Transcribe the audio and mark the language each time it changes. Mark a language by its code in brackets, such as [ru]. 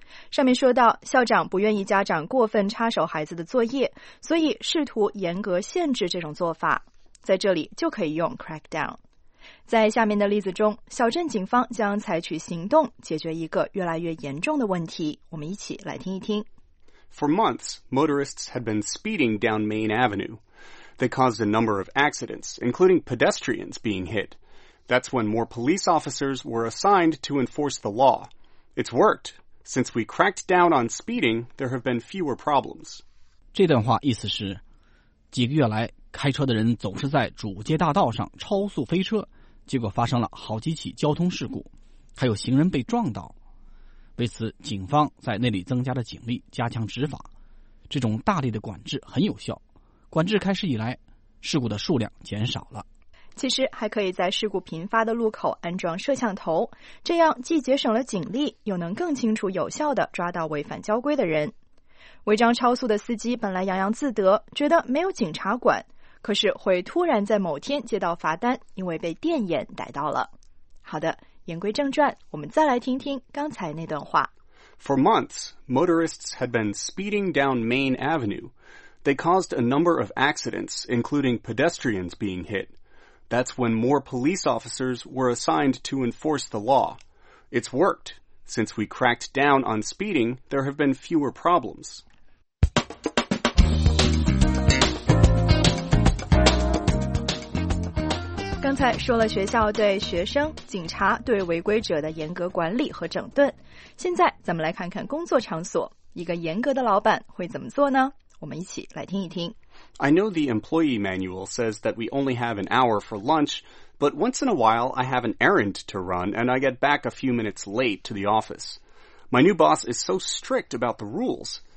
[zh] 上面说到，校长不愿意家长过分插手孩子的作业，所以试图严格限制这种做法，在这里就可以用 crack down。在下面的例子中，小镇警方将采取行动解决一个越来越严重的问题。我们一起来听一听。 [en] For months, motorists had been speeding down Main Avenue. They caused a number of accidents, including pedestrians being hit. That's when more police officers were assigned to enforce the law. It's worked. Since we cracked down on speeding, there have been fewer problems. [zh] 这段话意思是，几个月来，开车的人总是在主街大道上超速飞车，结果发生了好几起交通事故，还有行人被撞倒。为此，警方在那里增加了警力，加强执法。这种大力的管制很有效，管制开始以来，事故的数量减少了。其实还可以在事故频发的路口安装摄像头，这样既节省了警力，又能更清楚有效地抓到违反交规的人。违章超速的司机本来洋洋自得，觉得没有警察管，可是会突然在某天接到罚单，因为被电眼逮到了。好的，言归正传，我们再来听听刚才那段话。 [en] For months, motorists had been speeding down Main Avenue. They caused a number of accidents, including pedestrians being hit. That's when more police officers were assigned to enforce the law. It's worked. Since we cracked down on speeding, there have been fewer problems. [zh] 刚才说了学校对学生、警察对违规者的严格管理和整顿，现在咱们来看看工作场所，一个严格的老板会怎么做呢？我们一起来听一听。 [en] I know the employee manual says that we only have an hour for lunch, but once in a while I have an errand to run and I get back a few minutes late to the office. My new boss is so strict about the rules.